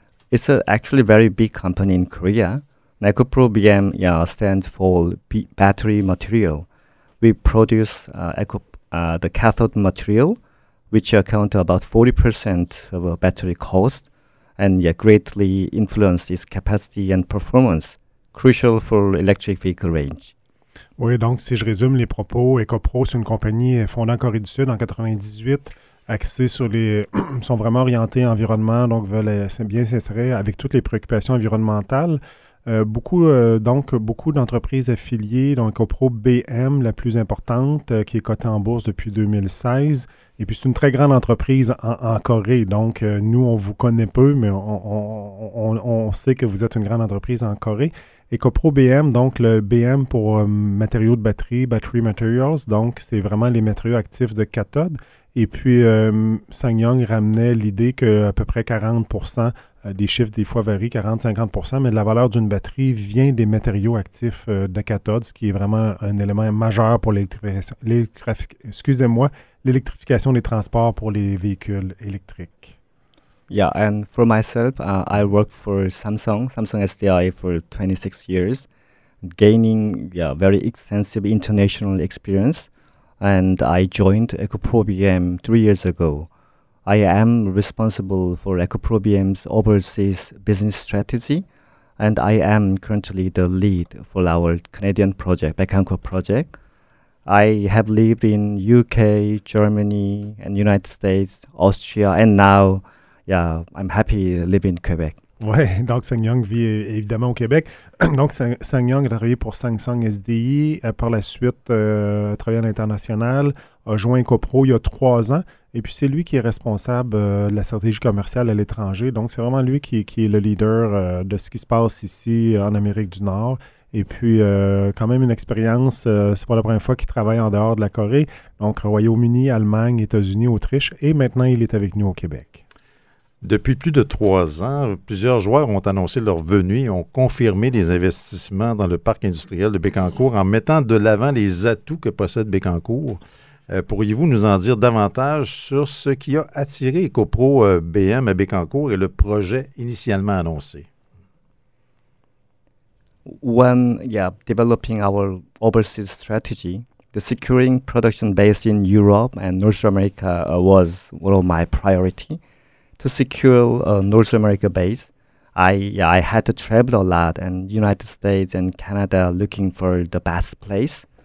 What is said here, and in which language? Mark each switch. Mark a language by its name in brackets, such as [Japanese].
[English] It's actually a very big company in Korea. EcoPro BM stands for battery material. We produce the cathode material, which account about 40% of a battery cost, and greatly influences capacity and performance, crucial for electric vehicle range. [French] Oui, donc si je résume les propos, EcoPro, c'est une compagnie fondée en Corée du Sud en 98, axée sur les... sont vraiment orientés à l'environnement, donc veulent bien s'insérer avec toutes les préoccupations environnementales. Beaucoup d'entreprises affiliées, donc EcoPro BM, la plus importante, qui est cotée en bourse depuis 2016. Et puis, c'est une très grande entreprise en Corée. Donc, nous, on vous connaît peu, mais on sait que vous êtes une grande entreprise en Corée. EcoPro BM, donc le BM pour matériaux de batterie, [English] battery materials, [French] donc c'est vraiment les matériaux actifs de cathode. Et puis, SsangYong ramenait l'idée qu'à peu près 40%, des chiffres des fois varient, 40-50%, mais la valeur d'une batterie vient des matériaux actifs de cathode, ce qui est vraiment un élément majeur pour l'électrification des transports pour les véhicules électriques. [English] Yeah, and for myself, I work for Samsung SDI for 26 years, gaining very extensive international experience, and I joined EcoPro BM 3 years ago. I am responsible for EcoPro BM's overseas business strategy, and I am currently the lead for our Canadian project, Bekanco project. I have lived in UK, Germany, and United States, Austria, and now, I'm happy to live in Quebec. [French] Oui, donc SsangYong vit évidemment au Québec. Donc SsangYong a travaillé pour Samsung SDI, par la suite a travaillé à l'international, a joint EcoPro il y a 3 ans, et puis c'est lui qui est responsable de la stratégie commerciale à l'étranger. Donc c'est vraiment lui qui est le leader de ce qui se passe ici en Amérique du Nord. Et puis, quand même une expérience, c'est pas la première fois qu'il travaille en dehors de la Corée, donc Royaume-Uni, Allemagne, États-Unis, Autriche, et maintenant il est avec nous au Québec. Depuis plus de 3 ans, plusieurs joueurs ont annoncé leur venue et ont confirmé les investissements dans le parc industriel de Bécancour en mettant de l'avant les atouts que possède Bécancour. Pourriez-vous nous en dire davantage sur ce qui a attiré EcoPro BM à Bécancour et le projet initialement annoncé? [English] When developing our overseas strategy, the securing production base in Europe and North America was one of my priority. To secure a North America base, I had to travel a lot in United States and Canada looking for the best place.